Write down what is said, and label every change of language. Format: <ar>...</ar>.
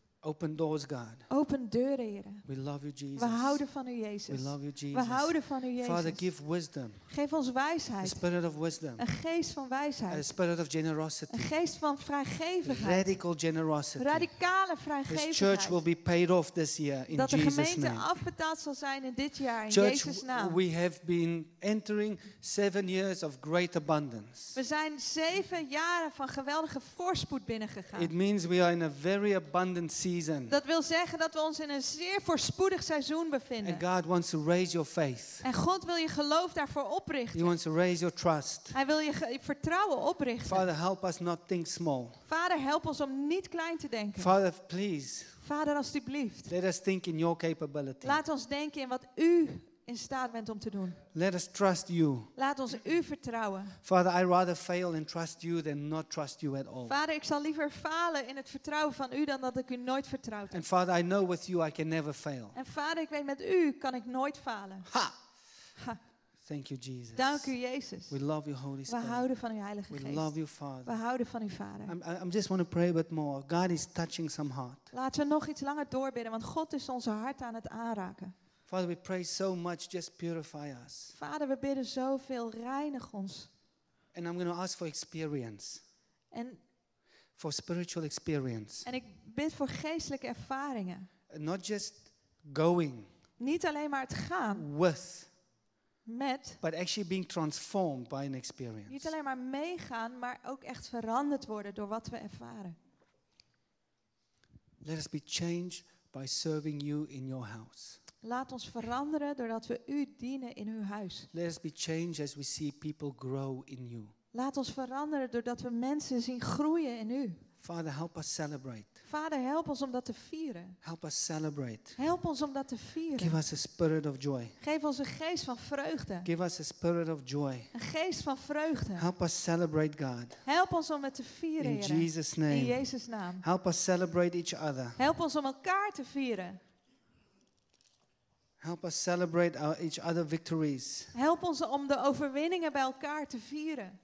<en>Open doors, God.</en> <nl>Open deuren, Heere.</nl> <en>We love you, Jesus.</en> <nl>We houden van u, Jezus.</nl> <en>We love you, Jesus.</en> <nl>We houden van u, Jezus.</nl> <en>Father, give wisdom.</en> <nl>Geef ons wijsheid.</nl> <en>A spirit of wisdom.</en> <nl>Een geest van wijsheid.</nl> <en>A spirit of generosity.</en> <nl>Een geest van vrijgevigheid.</nl> <en>Radical generosity.</en> <nl>Radicale vrijgevigheid.</nl> <en>This church will be paid off this year in Jesus' name.</en> <nl>Dat de gemeente afbetaald zal zijn in dit jaar in</nl> <en>church,</en> <nl>Jezus' naam.</nl> <en>We have been entering 7 years of great abundance.</en> <nl>We zijn 7 jaren van geweldige voorspoed binnengegaan.</nl> <en>It means we are in a very abundant season.</en> <nl>Dat wil zeggen dat we ons in een zeer voorspoedig seizoen bevinden.</nl> <en>And God wants to raise your faith.</en> <nl>En God wil je geloof daarvoor oprichten.</nl> <en>He wants to raise your trust.</en> <nl>Hij wil je vertrouwen oprichten.</nl> <en>Father, help us not think small.</en> <nl>Vader, help ons om niet klein te denken.</nl> <en>Father, please.</en> <nl>Vader, alstublieft.</nl> <en>Let us think in your capability.</en> <nl>Laat ons denken in wat u in staat bent om te doen.</nl> <en>Let us trust you.</en> <nl>Laat ons u vertrouwen.</nl> <en>Father, I rather fail and trust you than not trust you at all.</en> <nl>Vader, ik zal liever falen in het vertrouwen van u dan dat ik u nooit vertrouwd heb.</nl> <en>And Father, I know with you I can never fail.</en> <nl>En Vader, ik weet met u kan ik nooit falen.</nl> <en>Ha. Thank you, Jesus.</en> <nl>Dank u, Jezus.</nl> <en>We love you, Holy Spirit.</en> <nl>We houden van uw Heilige Geest.</nl> <en>We love you, Father.</en> <nl>We houden van uw Vader.</nl> <en>I just want to pray a bit more. God is touching some heart.</en> <nl>Laten we nog iets langer doorbidden, want God is onze hart aan het aanraken.</nl> <en>Father, we pray so much, just purify us.</en> <nl>Vader, we bidden zoveel, reinig ons.</nl> <en>And I'm going to ask for experience. And for spiritual experience.</en> <nl>En ik bid voor geestelijke ervaringen.</nl> <en>Not just going.</en> <nl>Niet alleen maar het gaan.</nl> <en>With.</en> <nl>Met.</nl> <en>But actually being transformed by an experience.</en> <nl>Niet alleen maar meegaan, maar ook echt veranderd worden door wat we ervaren.</nl> <en>Let us be changed by serving you in your house.</en> <nl>Laat ons veranderen doordat we u dienen in uw huis.</nl> <en>Let us be changed as we see people grow in you.</en> <nl>Laat ons veranderen doordat we mensen zien groeien in u.</nl> <en>Father, help us celebrate.</en> <nl>Vader, help ons om dat te vieren.</nl> <en>Help us celebrate.</en> <nl>Help ons om dat te vieren.</nl> <en>Give us a spirit of joy.</en> <nl>Geef ons een geest van vreugde.</nl> <en>Give us a spirit of joy.</en> <nl>Een geest van vreugde.</nl> <en>Help us celebrate God.</en> <nl>Help ons om het te vieren,</nl> <en>in</en> <nl>Heere.</nl> <en>Jesus name.</en> <nl>In Jezus naam.</nl> <en>Help us celebrate each other.</en> <nl>Help ons om elkaar te vieren.</nl> <en>Help us celebrate our each other victories.</en> <nl>Help ons om de overwinningen bij elkaar te vieren.</nl>